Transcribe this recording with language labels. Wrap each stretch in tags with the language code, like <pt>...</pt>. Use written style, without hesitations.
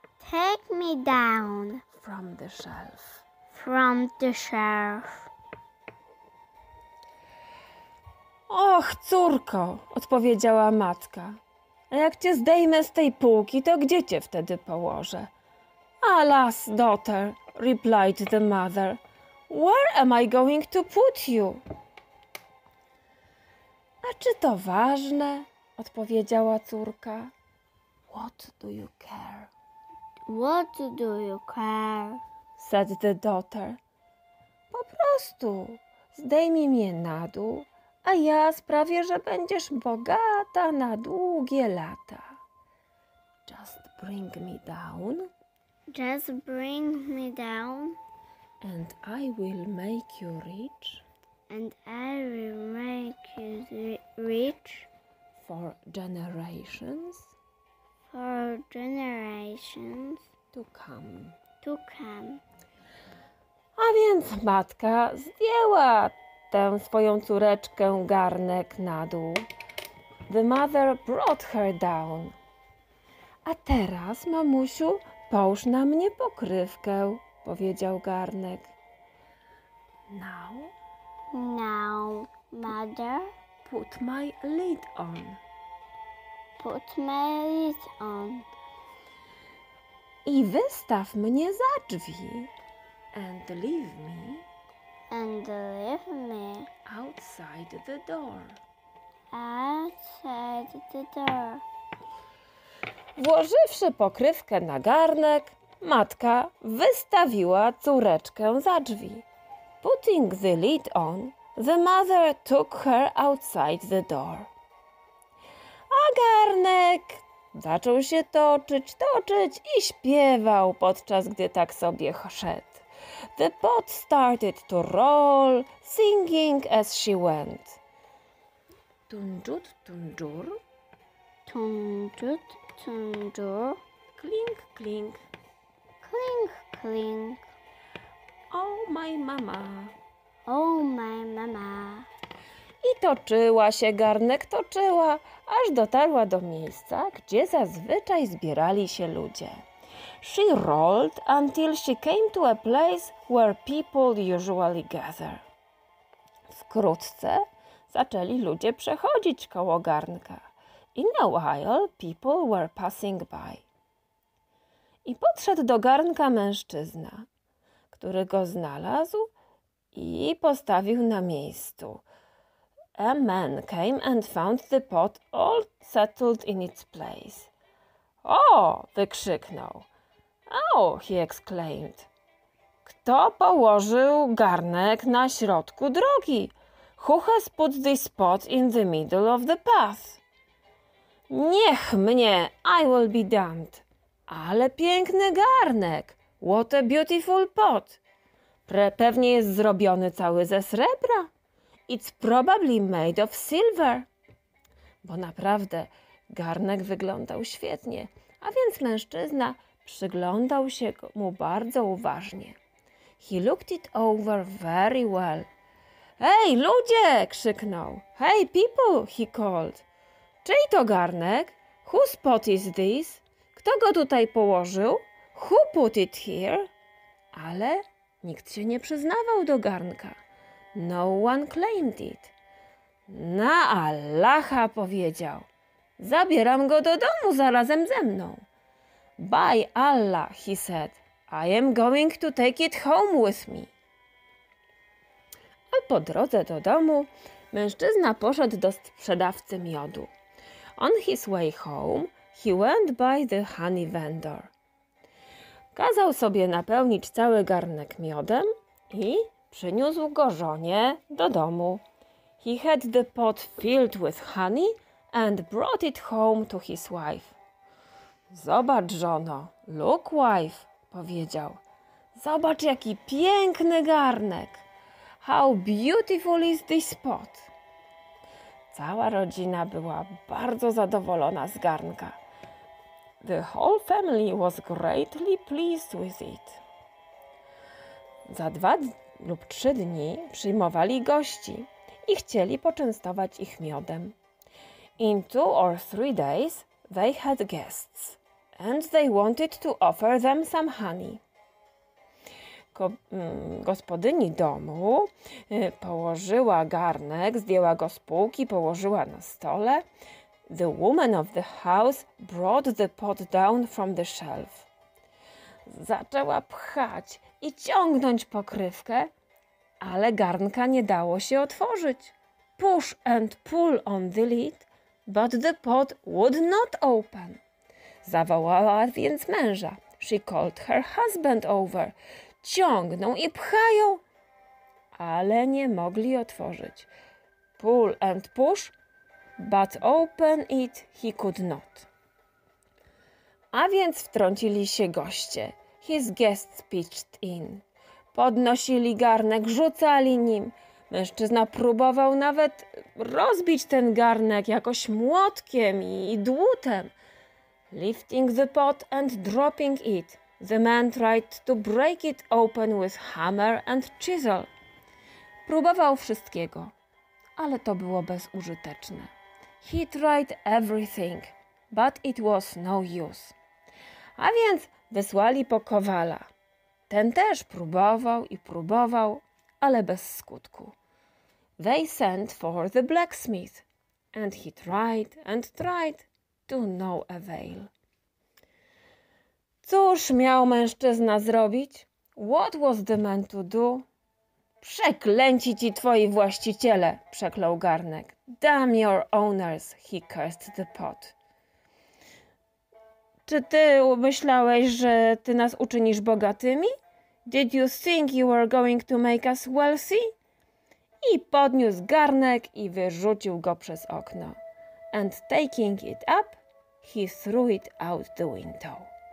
<en>Take me down. From the shelf. From the shelf.</en> <pl>Och, córko, odpowiedziała matka. A jak cię zdejmę z tej półki, to gdzie cię wtedy położę?</pl> <en>Alas, daughter, replied the mother. Where am I going to put you?</en> <pl>A czy to ważne? Odpowiedziała córka.</pl> <en>What do you care? What do you care? Said the daughter.</en> <pl>Po prostu zdejmij mnie na dół, a ja sprawię, że będziesz bogata na długie lata.</pl> <en>Just bring me down. Just bring me down. And I will make you rich. And I will make you rich. For generations. For generations. To come. To come.</en> <pl>A więc matka zdjęła tę swoją córeczkę garnek na dół.</pl> <en>The mother brought her down.</en> <pl>A teraz, mamusiu, połóż na mnie pokrywkę, powiedział garnek.</pl> <en>Now? Now, mother? Put my lid on. Put my lid on.</en> <pl>I wystaw mnie za drzwi.</pl> <en>And leave me. And leave me. Outside the door. Outside the door.</en> <pl>Włożywszy pokrywkę na garnek, matka wystawiła córeczkę za drzwi.</pl> <en>Putting the lid on, the mother took her outside the door.</en> <pl>A garnek zaczął się toczyć, toczyć i śpiewał, podczas gdy tak sobie szedł.</pl> <en>The pot started to roll, singing as she went. Tunjut, tunjur. Tunjut, tunjur. Kling, kling. Kling, kling. Oh, my mama. Oh, my mama.</en> <pl>I toczyła się, garnek toczyła, aż dotarła do miejsca, gdzie zazwyczaj zbierali się ludzie.</pl> <en>She rolled until she came to a place where people usually gather.</en> <pl>Wkrótce zaczęli ludzie przechodzić koło garnka.</pl> <en>In a while people were passing by.</en> <pl>I podszedł do garnka mężczyzna, który go znalazł i postawił na miejscu.</pl> <en>A man came and found the pot all settled in its place.</en> <pl>O, wykrzyknął.</pl> <en>Oh, he exclaimed.</en> <pl>Kto położył garnek na środku drogi?</pl> <en>Who has put this pot in the middle of the path?</en> <pl>Niech mnie,</pl> <en>I will be damned.</en> <pl>Ale piękny garnek.</pl> <en>What a beautiful pot.</en> <pl>Pewnie jest zrobiony cały ze srebra.</pl> <en>It's probably made of silver.</en> <pl>Bo naprawdę garnek wyglądał świetnie, a więc mężczyzna przyglądał się mu bardzo uważnie.</pl> <en>He looked it over very well.</en> <pl>Hej, ludzie! Krzyknął.</pl> <en>Hey, people! He called.</en> <pl>Czyj to garnek?</pl> <en>Whose pot is this?</en> <pl>Kto go tutaj położył?</pl> <en>Who put it here?</en> <pl>Ale nikt się nie przyznawał do garnka.</pl> <en>No one claimed it.</en> <pl>Na Allaha, powiedział. Zabieram go do domu zarazem ze mną.</pl> <en>By Allah, he said, I am going to take it home with me.</en> <pl>A po drodze do domu mężczyzna poszedł do sprzedawcy miodu.</pl> <en>On his way home, he went by the honey vendor.</en> <pl>Kazał sobie napełnić cały garnek miodem i przyniósł go żonie do domu.</pl> <en>He had the pot filled with honey and brought it home to his wife.</en> <pl>Zobacz, żono,</pl> <en>look, wife,</en> <pl>powiedział. Zobacz, jaki piękny garnek.</pl> <en>How beautiful is this pot.</en> <pl>Cała rodzina była bardzo zadowolona z garnka.</pl> <en>The whole family was greatly pleased with it.</en> <pl>Za 2 lub 3 dni przyjmowali gości i chcieli poczęstować ich miodem.</pl> <en>In 2 or 3 days they had guests and they wanted to offer them some honey.</en> <pl>Gospodyni domu położyła garnek, zdjęła go z półki, położyła na stole.</pl> <en>The woman of the house brought the pot down from the shelf.</en> <pl>Zaczęła pchać i ciągnąć pokrywkę, ale garnka nie dało się otworzyć.</pl> <en>Push and pull on the lid, but the pot would not open.</en> <pl>Zawołała więc męża.</pl> <en>She called her husband over.</en> <pl>Ciągną i pchają, ale nie mogli otworzyć.</pl> <en>Pull and push, but open it he could not.</en> <pl>A więc wtrącili się goście.</pl> <en>His guests pitched in.</en> <pl>Podnosili garnek, rzucali nim. Mężczyzna próbował nawet rozbić ten garnek jakoś młotkiem i dłutem.</pl> <en>Lifting the pot and dropping it, the man tried to break it open with hammer and chisel.</en> <pl>Próbował wszystkiego, ale to było bezużyteczne.</pl> <en>He tried everything, but it was no use.</en> <pl>A więc wysłali po kowala. Ten też próbował i próbował, ale bez skutku.</pl> <en>They sent for the blacksmith, and he tried and tried to no avail.</en> <pl>Cóż miał mężczyzna zrobić?</pl> <en>What was the man to do?</en> <pl>Przeklęci ci twoi właściciele, przeklął garnek.</pl> <en>Damn your owners, he cursed the pot.</en> <pl>Czy ty myślałeś, że ty nas uczynisz bogatymi?</pl> <en>Did you think you were going to make us wealthy?</en> <pl>I podniósł garnek i wyrzucił go przez okno.</pl> <en>And taking it up, he threw it out the window.</en>